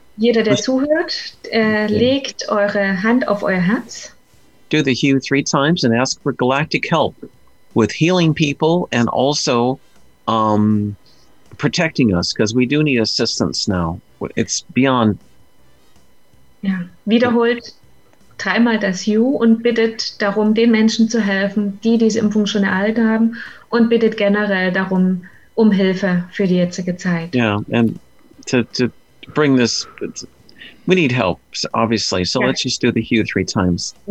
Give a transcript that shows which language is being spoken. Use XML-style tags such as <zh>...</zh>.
<de>Jeder, der zuhört,</de> <en>Okay.</en> <de>legt eure Hand auf euer Herz.</de> <en>Do the Hue three times and ask for galactic help with healing people and also protecting us, because we do need assistance now. It's beyond.</en> <de>Ja, wiederholt dreimal das U und bittet darum, den Menschen zu helfen, die diese Impfung schon erhalten haben, und bittet generell darum, um Hilfe für die jetzige Zeit.</de> <en>Yeah, and to bring this, we need help, obviously. So let's just do the Hue three times.</en>